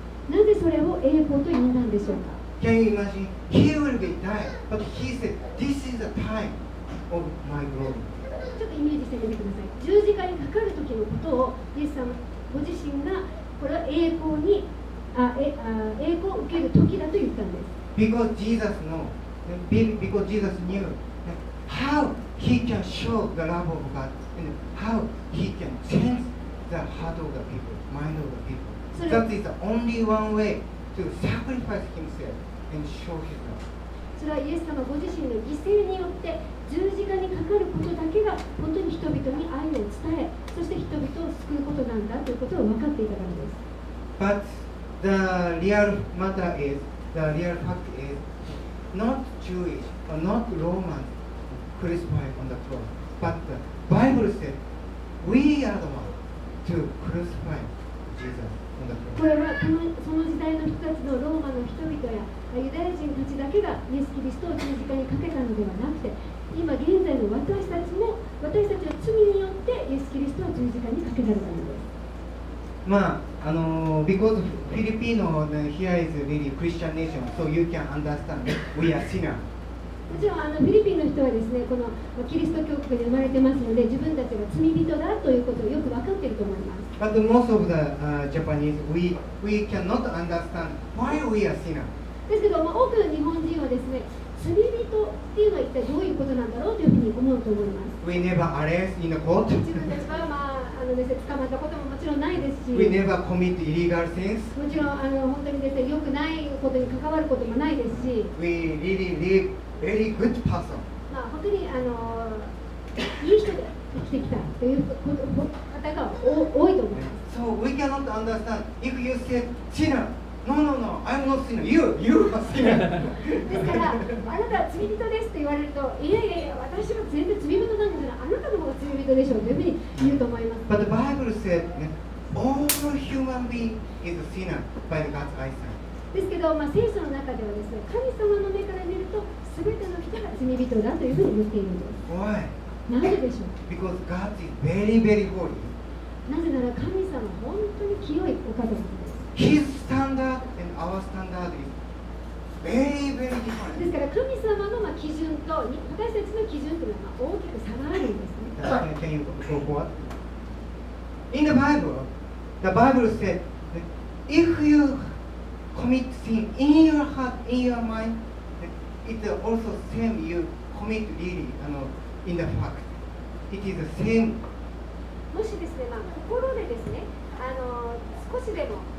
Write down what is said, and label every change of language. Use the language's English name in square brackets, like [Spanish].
[Japanese] なぜそれを栄光と呼んだんでしょうか。 [English] Can you imagine? He will be dying, but he said, "This is the time of my glory." [Japanese] ちょっとイメージしてみてください。十字架にかかる時のことをイエスさんご自身がこれは栄光に栄光を受ける時だと言ったんです。 [English] Because Jesus knew, because Jesus knew how he can show the love of God and how he can change the heart of the people, mind of the people. That is the only one way to sacrifice himself and show his love. [Japanese] それはイエス様ご自身の犠牲によって十字架にかかることだけが本当に人々に愛を伝え、そして人々を救うことなんだということを分かっていたからです。 [English] But the real matter is, the real fact is, not Jewish or not Roman crucified on the cross, but the Bible said, we are the one to crucify Jesus on the cross. [Japanese] これはその時代の人たちのローマの人々やユダヤ人たちだけがイエス・キリストを十字架にかけたのではなくて、今現在の私たちも私たちの罪によってイエス・キリストを十字架にかけられたのです。 [English] まあ、because Filipino here is really Christian nation, so you can understand we are sinner. [Japanese] もちろんフィリピンの人はですね、このキリスト教国で生まれてますので自分たちが罪人だということをよく分かっていると思います。 [English] But most of the Japanese, we cannot understand why we are sinner. [Japanese] ですけど、多くの日本人はですね、罪人っていうのは一体どういうことなんだろうというふうに思うと思います。 [English] We never arrest in the court. [Japanese] 自分たちは、ですね、捕まったことももちろんないですし。 [English] We never commit illegal things. [Japanese] もちろん本当にですね、良くないことに関わることもないですし。 [English] We really live very good person. [Japanese] 本当にいい人で生きてきたという方が多いと思います。 [English] So we cannot understand if you say sinner. No, I'm not sinner. You are sinner. [Japanese] ですから、あなたは罪人ですと言われると、いや、私は全然罪人なんじゃない。あなたの方が罪人でしょうというふうに言うと思います。 [English] But the Bible said, all human being is sinner by God's eyesight. [Japanese] ですけど、聖書の中ではですね、神様の目から見ると、すべての人が罪人だというふうに言っているんです。 [English] Why? [Japanese] なぜでしょう。 [English] Because God is very, very holy. [Japanese] なぜなら神様は本当に清いお方です。 [English] His standard and our standard is very, very different. [Japanese] ですから神様の基準と私たちの基準というのは大きく差があるんですね。 [English] Can you go forward? In the Bible said, if you commit sin in your heart, in your mind, it also same you commit really, in the fact. It is the same. [Japanese] もしですね、心でですね、少しでも、